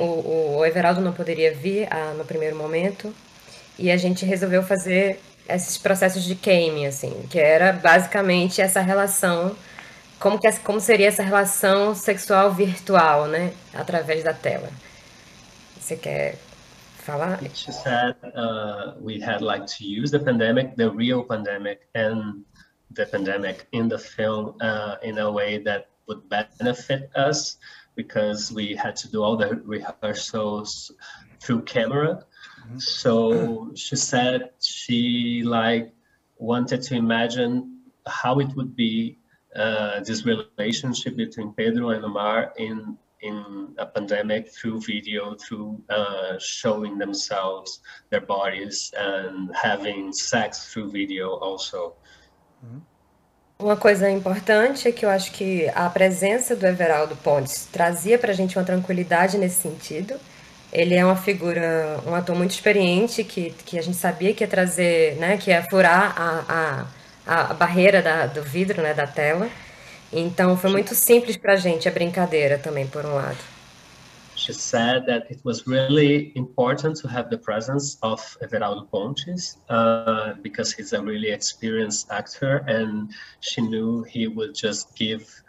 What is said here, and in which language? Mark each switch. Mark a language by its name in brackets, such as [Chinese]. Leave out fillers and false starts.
[Portuguese] O Everaldo não poderia vir no primeiro momento e a gente resolveu fazer... esses processos de came, assim, que era basicamente essa relação, como seria essa relação sexual virtual, né, através da tela. Você quer falar? [English] She said we had like to use the pandemic, the real pandemic, and the pandemic in the film in a way that would benefit us, because we had to do all the rehearsals through camera. So she said she like wanted to imagine how it would be this relationship between Pedro and Omar in a pandemic through video, through showing themselves, their bodies, and having sex through video also. [Portuguese] Uma coisa importante é que eu acho que a presença do Everaldo Pontes trazia pra gente uma tranquilidade nesse sentido. Ele é uma figura, um ator muito experiente, que a gente sabia que ia trazer, né, que ia furar a barreira do vidro, né, da tela. Então, foi muito simples para a gente, a brincadeira também, por um lado. [English] She said that it was really important to have the presence of Everaldo Pontes, because he's a really experienced actor, and she knew he would just give...